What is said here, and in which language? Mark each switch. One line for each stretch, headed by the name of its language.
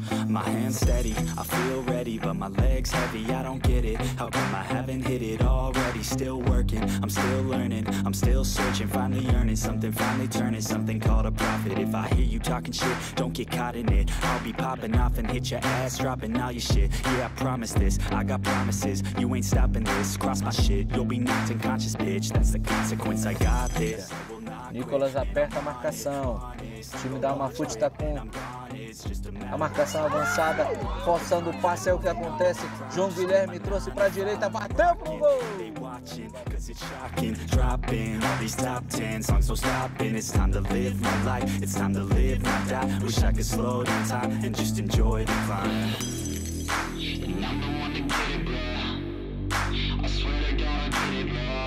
English: my hands steady, I feel ready, but my legs heavy, I don't get it, how come I haven't hit it already, still working, I'm still learning, I'm still searching, finally earning something, finally turning something called a profit, if I hear you talking shit, don't get caught in it, I'll be popping off and hit your ass, dropping all your shit, yeah I promise this, I got promises, you ain't stopping this, cross my shit, you'll be knocked unconscious bitch, that's the consequence, I got this.
Portuguese: Nicolas aperta a marcação. O time da Mafute está com a marcação avançada, forçando o passe. É o que acontece. João Guilherme trouxe para a direita, bateu pro gol.
English: Cause it's shocking, dropping all these top 10 songs, no stopping. It's time to live my life, it's time to live my life. Wish I could slow down time and just enjoy the climb. And I'm the one to get it, bro. I swear to God, I get it, bro.